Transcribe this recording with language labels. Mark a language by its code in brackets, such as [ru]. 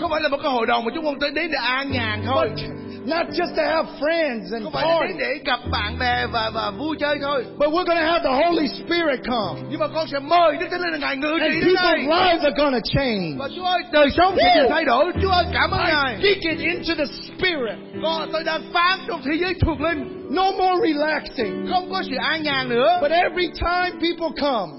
[vi] Không phải là một cái hội đồng mà chúng ta đến để an nhàn thôi. [en] Not just to have friends and parties. [vi] Để gặp bạn bè và vui chơi thôi. [en] But we're going to have the Holy Spirit come. [vi] Nhưng mà con sẽ mời Đức Thánh Linh Ngài ngự trị. [en] And people's lives are going to change. [vi] Và Chúa ơi, đời sống sẽ được thay đổi. Chúa ơi, cảm ơn Ngài. [en] I speak it into the Spirit. [vi] Con, tôi đang phán trong thế giới thuộc linh. [en] No more relaxing. [vi] Không có sự an nhàn nữa. [en] But every time people come.